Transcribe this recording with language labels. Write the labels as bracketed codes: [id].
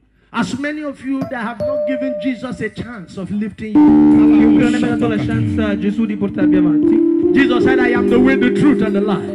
[en] As many of you that have not given Jesus a chance of lifting you, [it] non hanno dato la chance a Gesù di portarvi avanti. [en] Jesus said, "I am the way, the truth, and the life."